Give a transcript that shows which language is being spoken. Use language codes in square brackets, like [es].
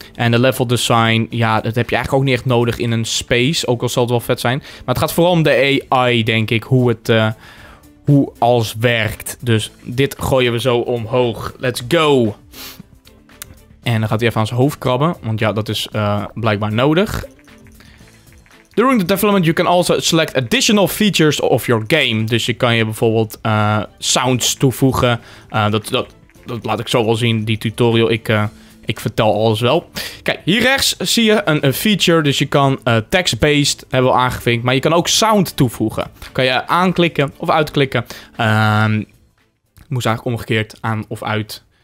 [nl] En de level design, ja, dat heb je eigenlijk ook niet echt nodig in een space. Ook al zal het wel vet zijn. Maar het gaat vooral om de AI, denk ik. Hoe het, hoe alles werkt. Dus dit gooien we zo omhoog. [en] Let's go! [nl] En dan gaat hij even aan zijn hoofd krabben. Want ja, dat is blijkbaar nodig. [en] During the development, you can also select additional features of your game. [nl] Dus je kan je bijvoorbeeld sounds toevoegen. Dat laat ik zo wel zien, die tutorial. Ik vertel alles wel. Kijk, hier rechts zie je een feature. Dus je kan text-based hebben we aangevinkt. Maar je kan ook sound toevoegen. Kan je aanklikken of uitklikken. Ik moest eigenlijk omgekeerd aan of uit.